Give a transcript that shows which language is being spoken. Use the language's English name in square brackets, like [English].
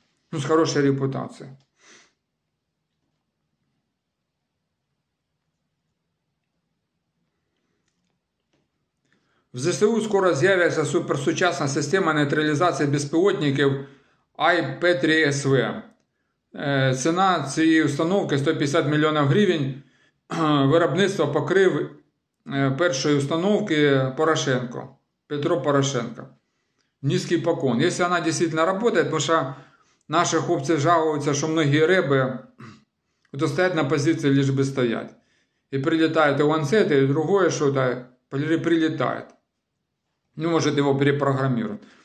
[Russian] Ну, с хорошей репутацией. В ЗСУ скоро заявится суперсучастная система нейтрализации беспилотников IP-3SV. [Ukrainian] Цена цієї установки 150 мільйонів гривень. Виробництво покрив першої установки Порошенко. [Russian] Петро Порошенко. Низкий поклон. Если она действительно работает, потому что наши хлопцы жалуются, что многие рыбы вот стоят на позиции, лишь бы стоять. И прилетают и ланцеты, и другое что-то прилетает. Ну, может, его перепрограммируют.